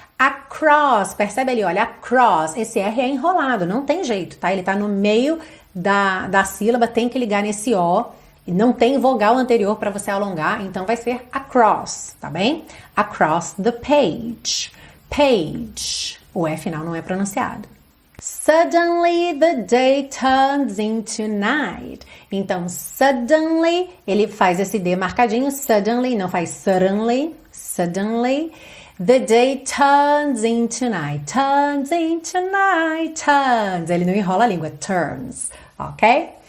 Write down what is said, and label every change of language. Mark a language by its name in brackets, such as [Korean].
[Portuguese] Across, percebe ali, olha, across, esse R é enrolado, não tem jeito, tá? Ele tá no meio da sílaba, tem que ligar nesse O, não tem vogal anterior para você alongar, então vai ser across, tá bem? [English] Across the page, [Portuguese] page, o E final não é pronunciado. [English] Suddenly the day turns into night. [Portuguese] Então, suddenly, ele faz esse D marcadinho, suddenly, não faz suddenly, suddenly. [English] The day turns into night, turns into night, turns. [Portuguese] Ele não enrola a língua, turns, ok?